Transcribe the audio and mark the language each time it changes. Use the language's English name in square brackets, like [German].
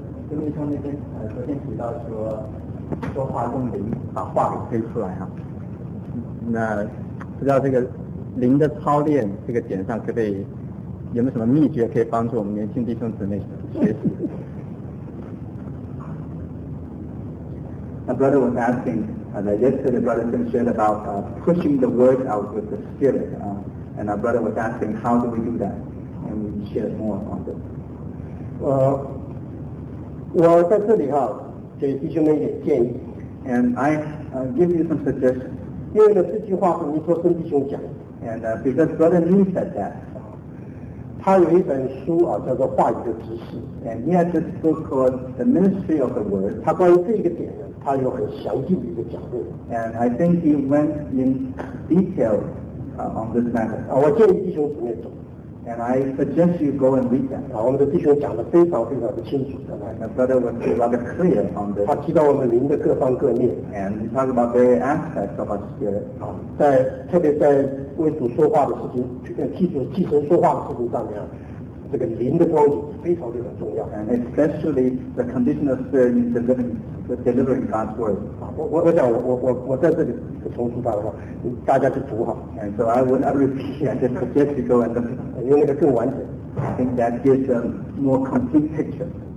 [Chinese] 跟弟兄那边昨天提到说话用灵把话给推出来哈、啊，那不知道这个灵的操练这个点上可以有没有什么秘诀可以帮助我们年轻弟兄姊妹学习？ [English] A brother was asking that yesterday brother Tim shared about pushing the word out with the spirit, and our brother was asking how do we do that, and we shared more on this. [Chinese] Well, 我在这里哈、啊，给弟兄们一点建议。 [English] And I give you some suggestions. [Chinese] 第二个这句话是吴托生弟兄讲的。 [English] And because Brother Lee said that. [Chinese] 他有一本书叫做话语的执事。 [English] And he has this book called The Ministry of the Word. [Chinese] 他关于这个点他有很详尽的一个讲论。 [English] And I think he went in detail on this matter. [Chinese] 我建议弟兄姊妹走。 [English] And I suggest you go and read that. [Chinese] 我们的弟兄讲得非常非常的清楚。 [English] And Brother was rather clear on this. [Chinese] 他提到我们灵的各方各面。 [English] And he talked about various aspects of our spirit. [Chinese] 特别在为主说话的事情，替主说话的事情上面，这个灵的光景非常非常重要。 [English] And especially the condition of spirit in delivering God's word. [Chinese] 我想我在这里重复他的话，大家去读好。 [English] And so I would not repeat, I just suggest you go and look. [Chinese] 因为那个更完整。 [English] I think that gives a more complete picture.